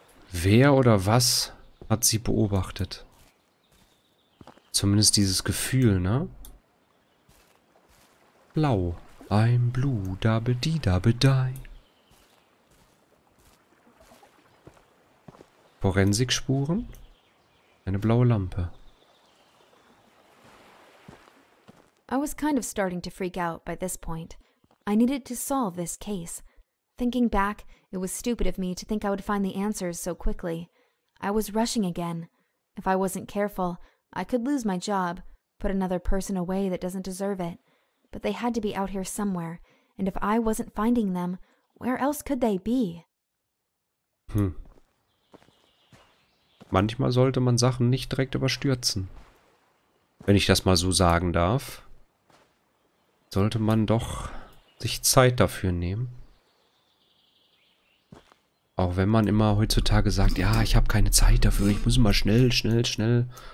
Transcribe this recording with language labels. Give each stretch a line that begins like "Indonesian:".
German: Wer oder was hat sie beobachtet? Zumindest dieses Gefühl, ne?
English: Blau, I'm blue, dabbe die, dabbe die.
German: Forensikspuren, eine blaue Lampe.
English: I was kind of starting to freak out by this point. I needed to solve this case. Thinking back, it was stupid of me to think I would find the answers so quickly. I was rushing again. If I wasn't careful, I could lose my job, put another person away that doesn't deserve it. But they had to be out here somewhere, and if I wasn't finding them, where else could they be?
German: Manchmal sollte man Sachen nicht direkt überstürzen. Wenn ich das mal so sagen darf, sollte man doch sich Zeit dafür nehmen. Auch wenn man immer heutzutage sagt, ja, ich habe keine Zeit dafür, ich muss immer schnell.